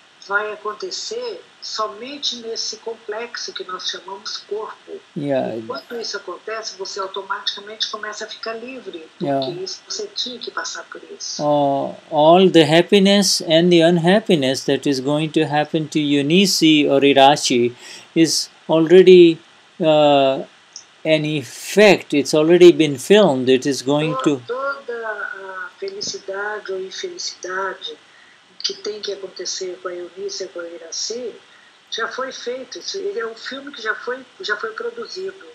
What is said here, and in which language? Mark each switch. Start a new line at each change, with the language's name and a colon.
Portuguese: vai acontecer somente nesse complexo que nós chamamos corpo. Enquanto isso acontece, você automaticamente começa a ficar livre, porque isso, você tinha que passar por isso.
English: All the happiness and the unhappiness that is going to happen to Eunice or Irachi is already an effect, it's already been filmed, it is going to...
Portuguese: Toda a felicidade ou infelicidade que tem que acontecer com a Eunice e com a Iraci, já foi feito, ele é um filme que já foi produzido.